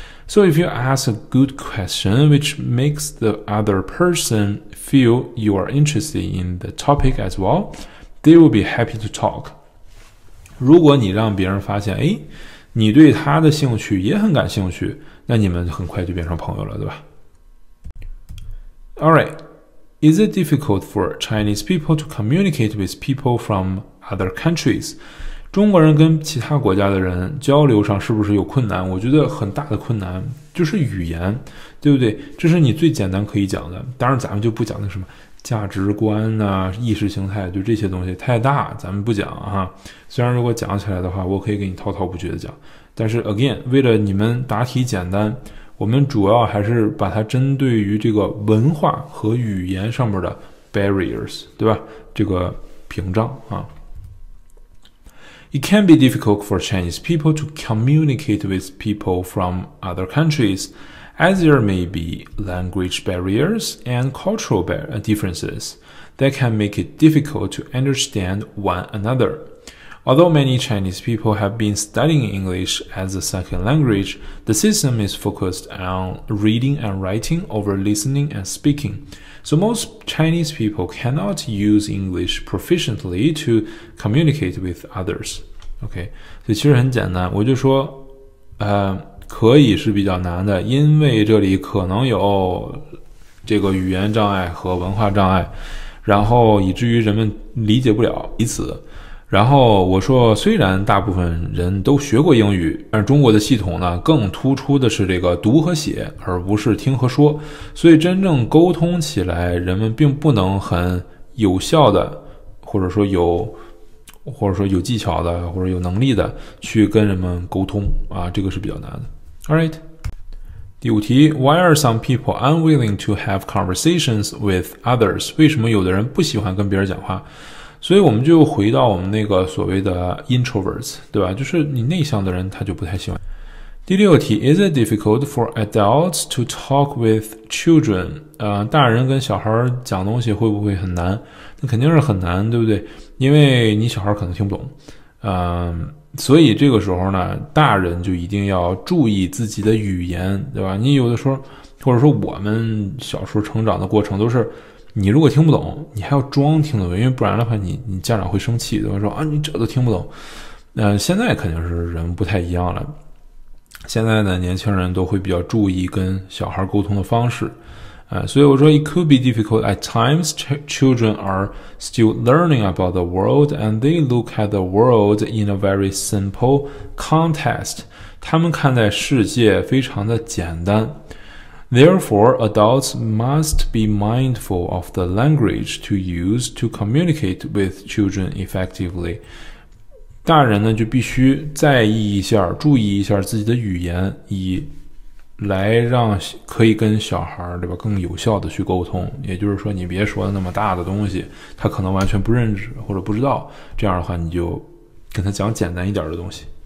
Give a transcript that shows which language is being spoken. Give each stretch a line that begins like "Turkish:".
English: So if you ask a good question which makes the other person feel you are interested in the topic as well, they will be happy to talk.
Chinese: 如果你让别人发现，哎，你对他的兴趣也很感兴趣，那你们很快就变成朋友了，对吧？
English: All right. Is it difficult for Chinese people to communicate with people from other countries?
Chinese: 中国人跟其他国家的人交流上是不是有困难？我觉得很大的困难就是语言，对不对？这是你最简单可以讲的。当然咱们就不讲那什么价值观啊、意识形态，就这些东西太大，咱们不讲啊。虽然如果讲起来的话，我可以给你滔滔不绝的讲，但是
English: again，
Chinese: 为了你们答题简单，我们主要还是把它针对于这个文化和语言上面的
English: barriers，
Chinese: 对吧？这个屏障啊。
English: It can be difficult for Chinese people to communicate with people from other countries. As there may be language barriers and cultural differences that can make it difficult to understand one another. Although many Chinese people have been studying English as a second language, the system is focused on reading and writing over listening and speaking. So most Chinese people cannot use English proficiently to communicate with others.
Chinese: Okay, 所以其实很简单，我就说，可以是比较难的，因为这里可能有这个语言障碍和文化障碍，然后以至于人们理解不了彼此。然后我说，虽然大部分人都学过英语，而中国的系统呢，更突出的是这个读和写，而不是听和说，所以真正沟通起来，人们并不能很有效的，或者说有技巧的，或者有能力的去跟人们沟通啊，这个是比较难的。
English: All right.
Chinese: 第五题
English: ,Why are some people unwilling to have conversations with others?
Chinese: 为什么有的人不喜欢跟别人讲话？所以我们就回到我们那个所谓的 introverts, 对吧？就是你内向的人他就不太喜欢。第六题
English: ,Is it difficult for adults to talk with children?
Chinese: 大人跟小孩讲东西会不会很难？那肯定是很难，对不对？因为你小孩可能听不懂。所以这个时候呢，大人就一定要注意自己的语言，对吧？你有的时候，或者说我们小时候成长的过程都是，你如果听不懂，你还要装听得懂，因为不然的话你家长会生气，对吧？说啊，你这都听不懂。现在肯定是人不太一样了。现在呢，年轻人都会比较注意跟小孩沟通的方式。所以我说
English: ,it could be difficult at times, children are still learning about the world and they look at the world in a very simple context.
Chinese: 他们看待世界非常的简单。
English: Therefore, adults must be mindful of the language to use to communicate with children effectively.
Chinese: 大人呢就必须在意一下，注意一下自己的语言，以来让可以跟小孩对吧更有效的去沟通，也就是说你别说那么大的东西，他可能完全不认识或者不知道，这样的话你就跟他讲简单一点的东西。